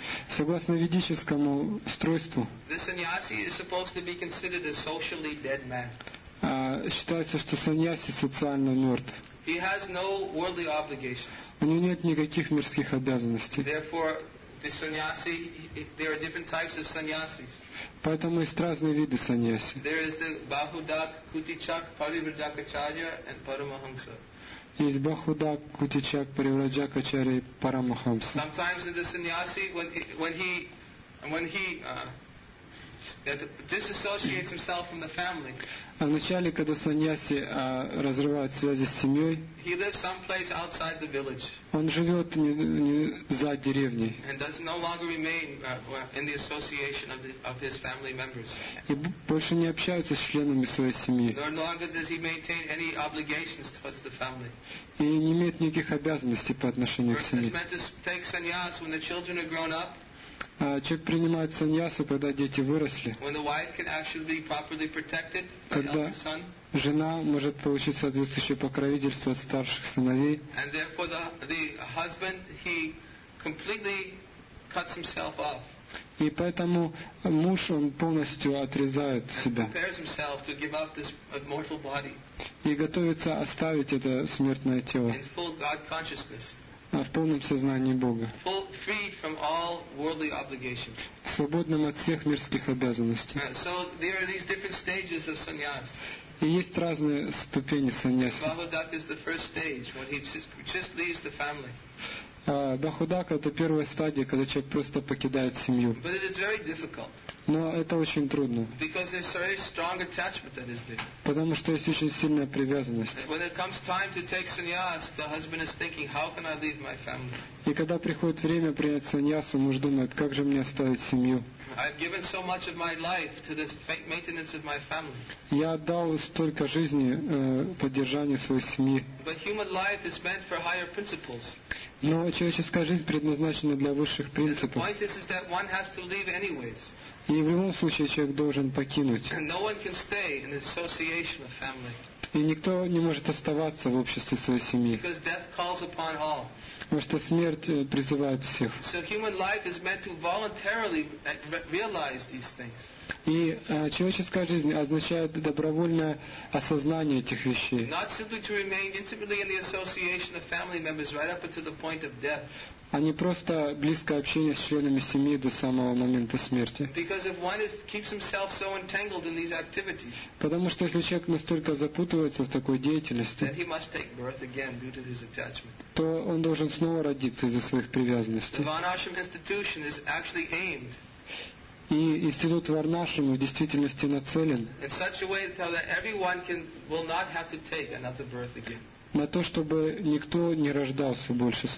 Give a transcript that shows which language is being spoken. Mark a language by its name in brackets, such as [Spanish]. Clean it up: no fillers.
[Russian] Согласно ведическому устройству, считается, что саньяси социально мертв. [English] He has no worldly obligations. [Russian] У него нет никаких мирских обязанностей. [English] Therefore, the sannyasi, there are different types of sannyasis. [Russian] Поэтому есть разные виды саньяси. [English] There is the Bahudak, Kutichak, Parivrajakacharya and Paramahamsa. [Russian] Есть Bahudak, Kutichak, Parivrajakacharya и Paramahamsa. [English] Sometimes in the sannyasi, when he disassociates himself from the family. [Russian] А вначале, когда саньяси разрывает связи с семьей, [English] he lives someplace outside the village. [Russian] Он живет не за деревней. [English] And does no longer remain in the association of his family members. [Russian] И больше не общается с членами своей семьи. [English] No longer does he maintain any obligations towards the family. [Russian] И не имеет никаких обязанностей по отношению к семье. [English] He is meant to take sannyas when the children are grown up. [Russian] Человек принимает саньясу, когда дети выросли. [English] When the wife can actually be properly protected by [Russian] когда [English] elder son. [Russian] Жена может получить соответствующее покровительство от старших сыновей. [English] And therefore the husband, he completely cuts himself off. [Russian] И поэтому муж, он полностью отрезает себя. [English] And prepares himself to give up this mortal body. [Russian] И готовится оставить это смертное тело. [English] In full God consciousness. [Russian] В полном сознании Бога. [English] Freed from all worldly obligations. [Russian] Свободным от всех мирских обязанностей. [English] So there are these different stages of sannyas. [Russian] И есть разные ступени саньяси. [English] Bahudak is the first stage when he just leaves the family. [Russian] Bahudak — это первая стадия, когда человек просто покидает семью. [English] But it is very difficult. [Russian] Но это очень трудно. [English] Because there's a very strong attachment that is there. [Russian] Потому что есть очень сильная привязанность. [English] When it comes time to take sannyas, the husband is thinking, how can I leave my family? [Russian] И когда приходит время принять саньясу, муж думает, как же мне оставить семью? [English] I've given so much of my life to the maintenance of my family. [Russian] Я отдал столько жизни поддержанию своей семьи. [English] But human life is meant for higher principles. [Russian] Но человеческая жизнь предназначена для высших принципов. [English] The point is that one has to leave anyways. [Russian] И в любом случае человек должен покинуть. [English] And no one can stay in the association of family. [Russian] И никто не может оставаться в обществе своей семьи. [English] Because death calls upon all. [Russian] Потому что смерть призывает всех. [English] So human life is meant to voluntarily realize these things. [Russian] И человеческая жизнь означает добровольное осознание этих вещей. [English] Not simply to remain intimately in the association of family members right up until the point of death. [Russian] А не просто близкое общение с членами семьи до самого момента смерти. [English] Because if one keeps himself so entangled in these activities. [Russian] Потому что если человек настолько запутывается в такой деятельности, [English] then he must take birth again due to his attachment. [Russian] То он должен снова родиться из-за своих привязанностей. [English] The Varnashram institution is actually aimed. [Russian] И институт Варнашрама в действительности нацелен. [English] In such a way that everyone will not have to take another birth again. [Russian] На то, чтобы никто не рождался больше с